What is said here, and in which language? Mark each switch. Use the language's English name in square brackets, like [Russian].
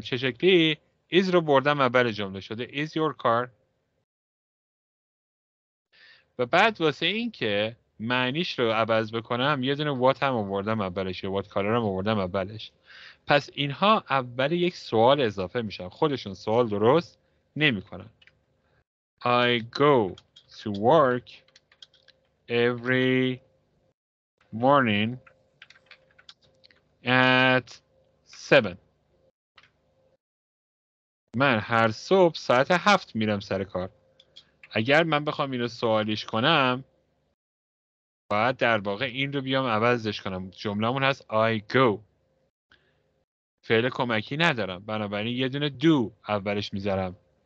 [Persian] چه شکلی؟ Is رو بردم اول جمله، شده Is your car. و بعد واسه این که معنیش رو عوض بکنم یه دونه what هم آوردم اولش، یه what color هم آوردم اولش. پس اینها اول یک سوال اضافه میشن، خودشون سوال درست نمی کنن. [English] I go to work every morning at 7. [Persian] من هر صبح ساعت 7 میرم سر کار. اگر من بخوام اینو سوالیش کنم باید در واقع این رو بیام عوضش کنم. جمله‌مون هست I go. فعل کمکی ندارم، بنابراین یه دونه do اولش میذارم.